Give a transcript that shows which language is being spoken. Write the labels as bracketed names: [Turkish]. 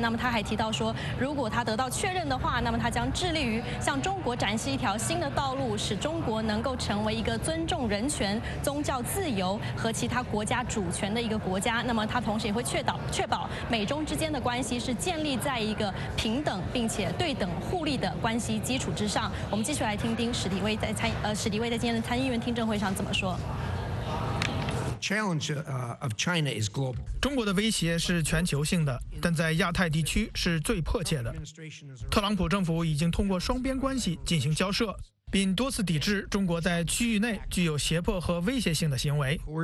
[Chinese] 那么他还提到说，如果他得到确认的话，那么他将致力于向中国展示一条新的道路，使中国能够成为一个尊重人权、宗教自由和其他国家主权的一个国家。那么他同时也会确保美中之间的关系是建立在一个平等并且对等互利的关系基础之上。我们继续来听听史迪威在今天的参议院听证会上怎么说。 [English] challenge of China is global. [Chinese] 中国的威胁是全球性的，但在亚太地区是最迫切的。特朗普政府已经通过双边关系进行交涉，并多次抵制中国在区域内具有胁迫和威胁性的行为。